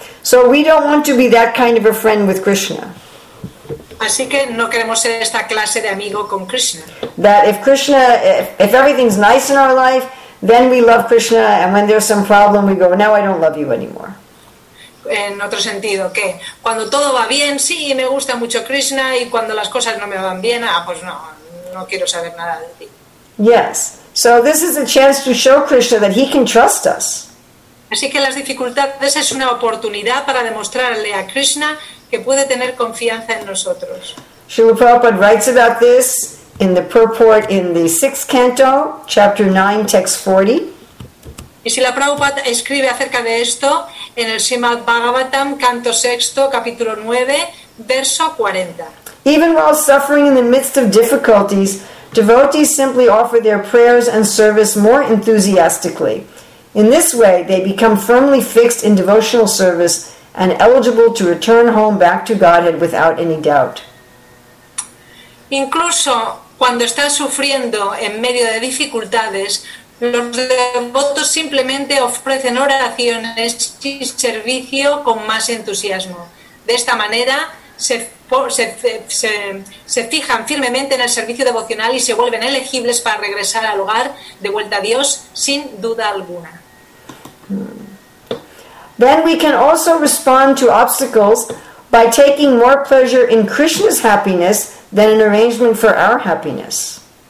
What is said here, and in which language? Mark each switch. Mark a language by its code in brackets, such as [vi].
[en] So we don't want to be that kind of a friend with Krishna. [es] Así que no queremos ser esta clase de amigo con Krishna. [en] That if Krishna, if everything's nice in our life, then we love Krishna, and when there's some problem, we go, now I don't love you anymore. [es] En otro sentido, que cuando todo va bien, sí, me gusta mucho Krishna, y cuando las cosas no me van bien, pues no, no quiero saber nada de ti. [en] Yes. So this is a chance to show Krishna that he can trust us. [es] Así que las dificultades es una oportunidad para demostrarle a Krishna que puede tener confianza en nosotros. [en] Srila Prabhupada writes about this in the purport in the sixth canto, chapter 9, text 40. [es] Y Srila Prabhupada escribe acerca de esto en el Srimad Bhagavatam, canto 6, capítulo 9, verso 40. [en] Even while suffering in the midst of difficulties, devotees simply offer their prayers and service more enthusiastically. In this way, they become firmly fixed in devotional service and eligible to return home back to Godhead without any doubt. [es] Incluso cuando están sufriendo en medio de dificultades, los devotos simplemente ofrecen oraciones y servicio con más entusiasmo. De esta manera, se fijan firmemente en el servicio devocional y se vuelven elegibles para regresar al hogar de vuelta a Dios sin duda alguna. [en] Then we can also respond to obstacles by taking more pleasure in Krishna's happiness than an arrangement for our happiness.